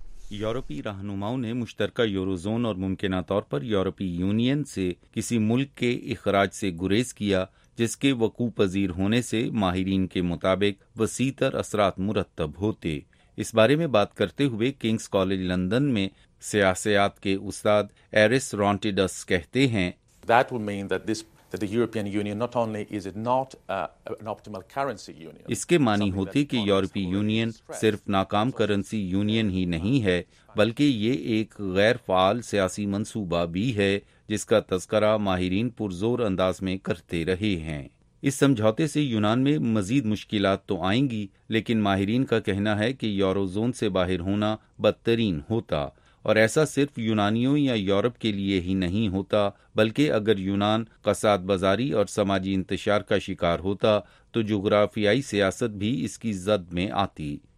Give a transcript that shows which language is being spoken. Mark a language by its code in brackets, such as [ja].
[ur] یورپی رہنماؤں نے مشترکہ یورو زون اور ممکنہ طور پر یورپی یونین سے کسی ملک کے اخراج سے گریز کیا, جس کے وقوع پذیر ہونے سے ماہرین کے مطابق وسیع تر اثرات مرتب ہوتے. اس بارے میں بات کرتے ہوئے کنگز کالج لندن میں سیاسیات کے استاد ایرس رونٹیڈس کہتے ہیں, [en] That would mean that this that the European Union not only is it not an optimal currency union, [ur] اس کے معنی ہوتی کہ یورپی یونین صرف ناکام کرنسی یونین ہی نہیں ہے بلکہ یہ ایک غیر فعال سیاسی منصوبہ بھی ہے جس کا تذکرہ ماہرین پرزور انداز میں کرتے رہے ہیں. اس سمجھوتے سے یونان میں مزید مشکلات تو آئیں گی, لیکن ماہرین کا کہنا ہے کہ یورو زون سے باہر ہونا بدترین ہوتا, اور ایسا صرف یونانیوں یا یورپ کے لیے ہی نہیں ہوتا بلکہ اگر یونان کساد بازاری اور سماجی انتشار کا شکار ہوتا تو جغرافیائی سیاست بھی اس کی زد میں آتی.